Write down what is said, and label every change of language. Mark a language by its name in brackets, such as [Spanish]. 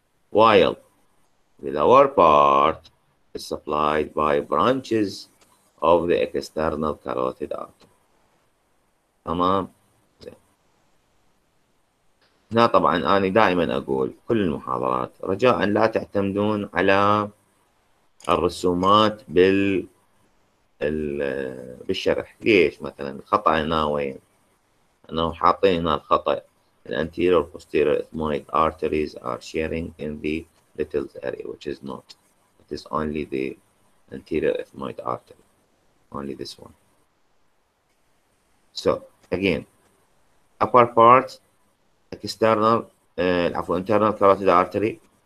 [English] While the lower part is supplied by branches of the external carotid artery. [Arabic] تمام؟ هنا طبعا أنا دائما أقول كل المحاضرات رجاء لا تعتمدون على الرسومات بالشرح. ليش مثلا الخطأ هنا وين؟ أنه حاطين هنا الخطأ. [English] The anterior posterior ethmoid arteries are sharing in the Little's area, which is not. It is only the anterior ethmoid artery, only this one. So again, upper part, external, internal carotid artery.